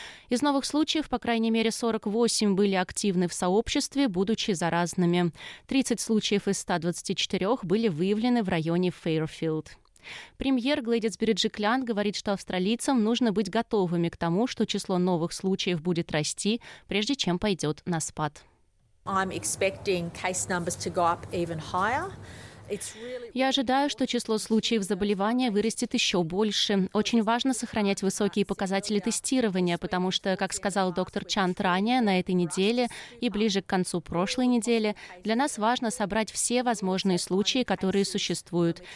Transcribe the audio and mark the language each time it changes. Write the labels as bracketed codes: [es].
[ru] Из новых случаев, по крайней мере, 48 были активны в сообществе, будучи заразными. 30 случаев из 124 были выявлены в районе Фэйрфилд. Премьер Глэдис Бериджиклян говорит, что австралийцам нужно быть готовыми к тому, что число новых случаев будет расти, прежде чем пойдет на спад. [en] I'm expecting case numbers to go up even higher. [ru] Я ожидаю, что число случаев заболевания вырастет еще больше. Очень важно сохранять высокие показатели тестирования, потому что, как сказал доктор Чант ранее, на этой неделе и ближе к концу прошлой недели, для нас важно собрать все возможные случаи, которые существуют.